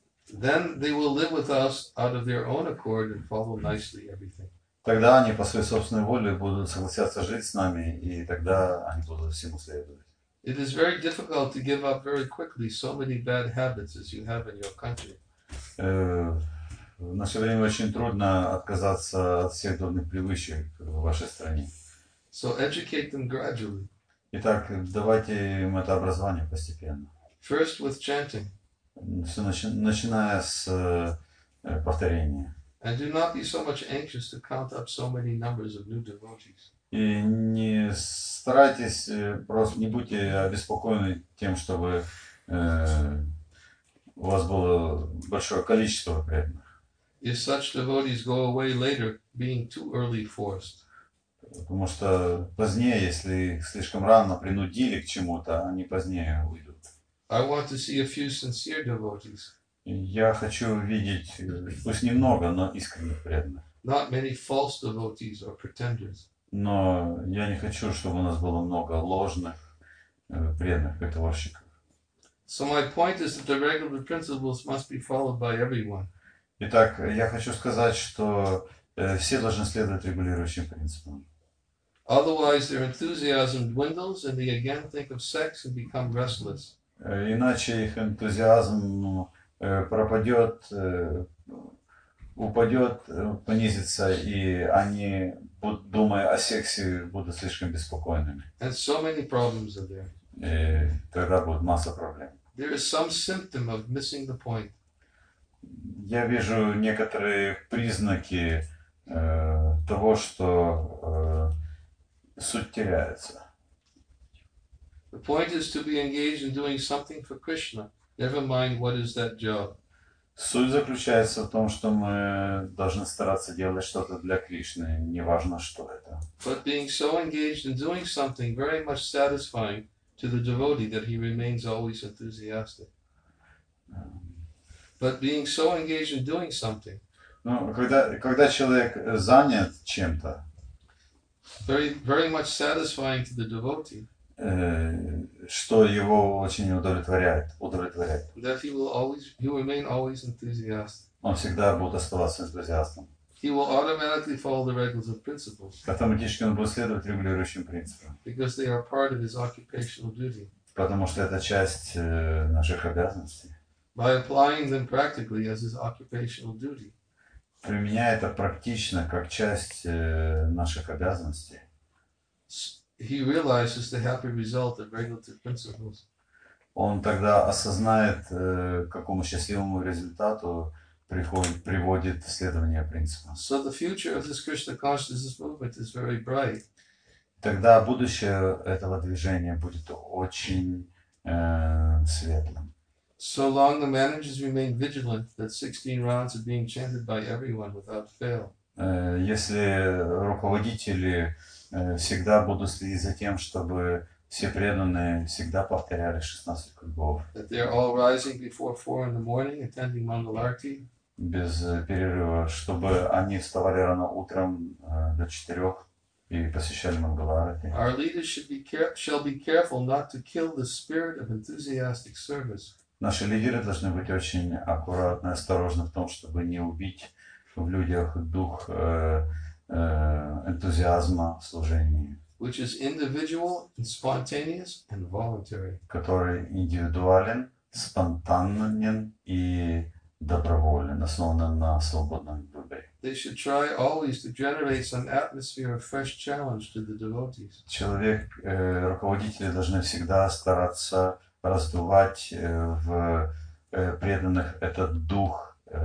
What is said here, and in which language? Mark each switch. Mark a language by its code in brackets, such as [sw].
[en] Then they will live with us out of their own accord and follow nicely everything. [ru] Тогда они по своей собственной воле будут согласятся жить с нами, и тогда они будут всему следовать. [en] It is very difficult to give up very quickly so many bad habits as you have in your country. [ru] В наше время очень трудно отказаться от всех дурных привычек в вашей стране. [en] So educate them gradually. [ru] Итак, давайте им это образование постепенно. [en] First with chanting. [ru] Начиная с повторения. [en] And do not be so much anxious to count up so many numbers of new devotees. [ru] И не старайтесь, просто не будьте обеспокоены тем, чтобы у вас было большое количество преданных. [en] If such devotees go away later, being too early forced. [ru] Потому что позднее, если их слишком рано принудили к чему-то, они позднее уйдут. [en] I want to see a few sincere devotees. [ru] Я хочу видеть, пусть немного, но искренних преданных. [en] Not many false devotees or pretenders. [ru] Но я не хочу, чтобы у нас было много ложных преданных притворщиков. [en] So my point is that the regular principles must be followed by everyone. [ru] Итак, я хочу сказать, что все должны следовать регулирующим принципам. [en] Otherwise, their enthusiasm dwindles, and they again think of sex and become restless. [ru] Иначе их энтузиазм пропадет, упадет, понизится, и они, думая о сексе, будут слишком беспокойными. [en] And so many problems are there. [ru] И тогда будет масса проблем. [en] There is some symptom of missing the point. [ru] Я вижу некоторые признаки того, что суть теряется. [en] The point is to be engaged in doing something for Krishna. Never mind what is that job. [ru] Суть заключается в том, что мы должны стараться делать что-то для Кришны, неважно что это. [en] But being so engaged in doing something very much satisfying to the devotee that he remains always enthusiastic. But being so engaged in doing something. [ru] Ну, когда человек занят чем-то. [en] Very, very much satisfying to the devotee. [ru] Что его очень удовлетворяет. [en] That he will always, he remain always enthusiastic. [ru] Он всегда будет оставаться энтузиастом. [en] He will automatically follow the regulars of principles. [ru] Автоматически он будет следовать регулирующим принципам. [en] Because they are part of his occupational duty. [ru] Потому что это часть наших обязанностей. [en] By applying them practically as his occupational duty. [ru] Применяя это практично как часть наших обязанностей. [en] He realizes the happy result of regulative principles. [ru] Он тогда осознает, к какому счастливому результату приводит следование принципам. [en] So the future of this Krishna consciousness movement is very bright. [ru] Тогда будущее этого движения будет очень светлым. [en] So long the managers remain vigilant that 16 rounds are being chanted by everyone without fail. [ru] Если руководители всегда будут следить за тем, чтобы все преданные всегда повторяли 16 кругов. [en] That they are all rising before 4 in the morning, attending Mangalarti. [ru] Без перерыва, чтобы они вставали рано утром до 4 и посещали Мангаларти. [en] Our leaders shall be careful not to kill the spirit of enthusiastic service. [ru] Наши лидеры должны быть очень аккуратны, осторожны в том, чтобы не убить в людях дух энтузиазма в служении. [en] Which is individual, spontaneous, and voluntary. [ru] Который индивидуален, спонтанен и доброволен, основан на свободном выборе. [en] They should try always to generate some atmosphere of fresh challenge to the devotees. [ru] Человек, руководители должны всегда стараться раздувать в преданных этот дух